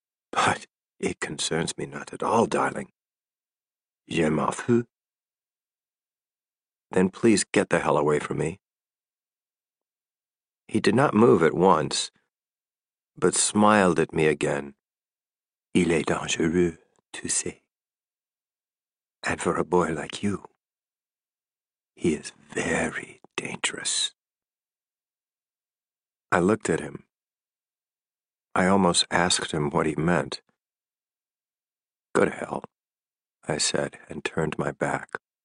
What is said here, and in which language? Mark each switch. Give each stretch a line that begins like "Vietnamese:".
English: "But it concerns me not at all, darling.
French: Je m'en fous."
English: "Then please get the hell away from me." He did not move at once, but smiled at me again.
French: Il est dangereux, tu sais.
English: And for a boy like you, he is very dangerous. I looked at him. I almost asked him what he meant. Go to hell, I said, and turned my back.